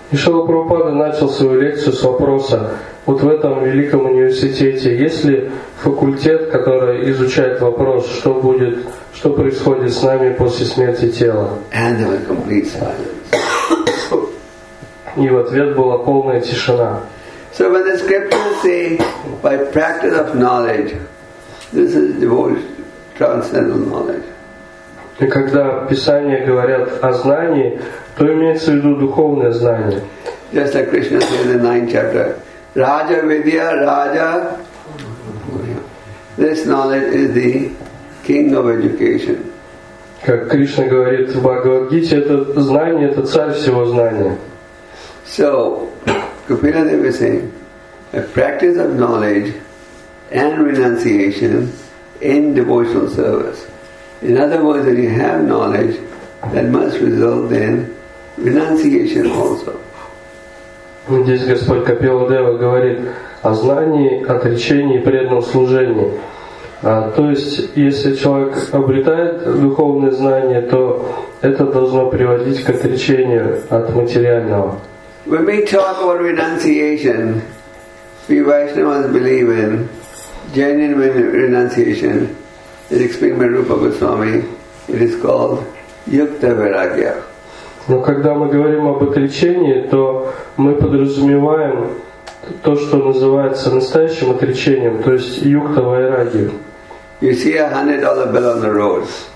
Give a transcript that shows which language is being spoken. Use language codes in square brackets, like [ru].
[ru] И Шрила Прабхупада начал свою лекцию с вопроса, вот в этом великом университете есть ли факультет, который изучает вопрос, что будет, что происходит с нами после смерти тела? [en] And there was complete silence. [ru] И в ответ была полная тишина. [en] So when the scriptures say, by practice of knowledge, this is devotion, transcendental knowledge. [ru] И когда Писания говорят о знании, то имеется в виду духовное знание. [en] Just like Krishna says in the 9th chapter, Raja Vidya, Raja, this knowledge is the king of education. [ru] Как Кришна говорит в Бхагавад-гите, это знание, это царь всего знания. [en] So, Kapila Dev is saying, a practice of knowledge and renunciation in devotional service. In other words, when you have knowledge, that must result in renunciation also. [ru] Здесь Господь Капиладева говорит о знании, отречении и преданном служении. То есть, если человек обретает духовное знание, то это должно приводить к отречению от материального. [en] When we talk about renunciation, we Vaishnavas believe in genuine renunciation. It's explained by Rupa Goswami. It is called Yukta Vairagya. [ru] Но когда мы говорим об отречении, то мы подразумеваем то, что называется настоящим отречением, то есть Юкта Вайрагья. [en] You see $100 bill on the road.